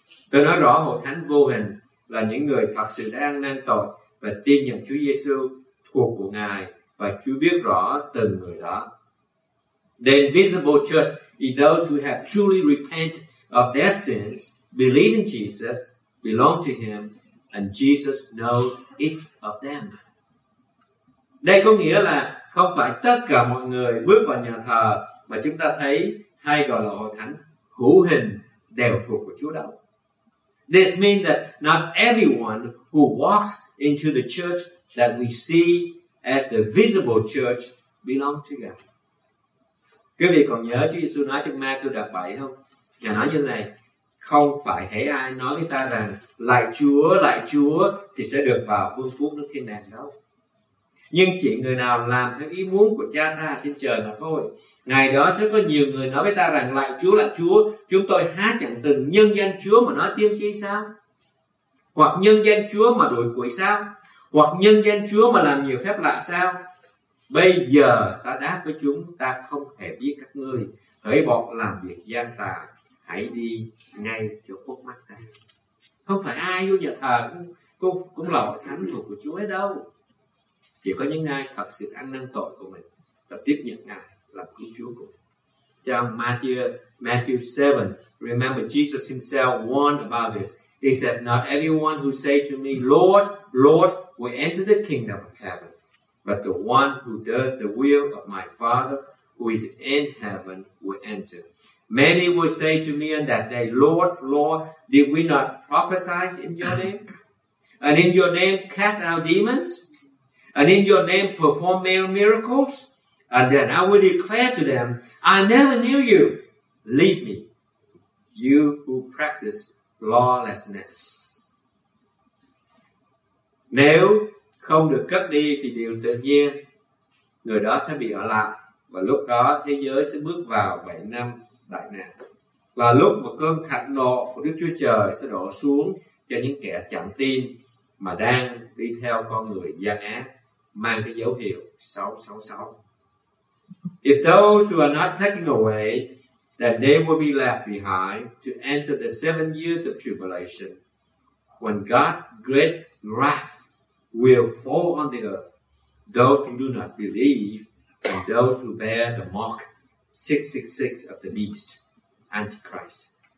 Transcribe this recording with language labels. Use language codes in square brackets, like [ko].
[vi] Tôi nói rõ hội thánh vô hình là những người thật sự đang nên tội và tin nhận Chúa Giêsu thuộc của Ngài, và Chúa biết rõ từng người đó. [en] The invisible church is those who have truly repented of their sins, believe in Jesus, belong to him, and Jesus knows each of them. [vi] Đây có nghĩa là không phải tất cả mọi người bước vào nhà thờ mà chúng ta thấy hay gọi là hội thánh hữu hình đều thuộc của Chúa đâu. [en] This means that not everyone who walks into the church that we see as the visible church belong to God. [vi] Quý vị còn nhớ Chúa Giêsu nói trong Ma-thi-ơ đoạn 7 không? Ngài nói như thế này: không phải hễ ai nói với ta rằng lạy Chúa thì sẽ được vào vương quốc nước thiên đàng đâu. Nhưng chỉ người nào làm theo ý muốn của Cha ta trên trời mà thôi. Ngày đó sẽ có nhiều người nói với ta rằng lạy Chúa, chúng tôi há chẳng từng nhân danh Chúa mà nói tiên tri sao? Hoặc nhân danh Chúa mà đuổi quỷ sao? Hoặc nhân danh Chúa mà làm nhiều phép lạ sao? Bây giờ ta đáp với chúng, ta không hề biết các ngươi, hỡi bọn làm việc gian tà, hãy đi ngay chỗ khuất mắt ta. Không phải ai vô nhà thờ cũng là hội thánh thuộc của Chúa ấy đâu. Chỉ có những ai thật sự ăn năn tội của mình và tiếp nhận Ngài làm cứu Chúa của mình. Trong [en] Matthew 7, remember Jesus himself warned about this. He said, not everyone who say to me, Lord, Lord, will enter the kingdom of heaven, but the one who does the will of my Father who is in heaven will enter. Many will say to me on that day, Lord, Lord, did we not prophesy in your name? And in your name cast out demons? And in your name perform many miracles? And then I will declare to them, I never knew you. Leave me, you who practice lawlessness. [vi] Nếu không được cất đi thì điều tự nhiên người đó sẽ bị ở lại, và lúc đó thế giới sẽ bước vào 7 năm đại nạn, là lúc mà cơn thạnh nộ của Đức Chúa Trời sẽ đổ xuống cho những kẻ chẳng tin mà đang đi theo con người gian ác mang cái dấu hiệu 666. [en] If those who are not taken away, then they will be left behind to enter the 7 years of tribulation, when God's great wrath will fall on the earth, those who do not believe, and those who bear the mark 666 of the beast, Antichrist.